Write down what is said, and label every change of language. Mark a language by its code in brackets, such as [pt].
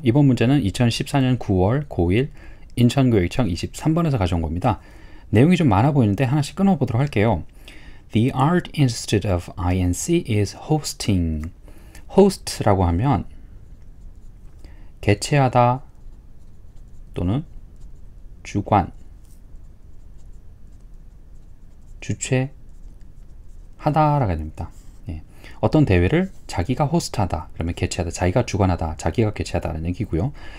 [ko] 이번 문제는 2014년 9월 고1 인천교육청 23번에서 가져온 겁니다. 내용이 좀 많아 보이는데 하나씩 끊어보도록 할게요. [en] The Art Institute of INC is hosting. [ko] host라고 하면 개최하다 또는 주관, 주최하다라고 해야 됩니다. 어떤 대회를 자기가 호스트하다, 그러면 개최하다, 자기가 주관하다, 자기가 개최하다는 얘기고요.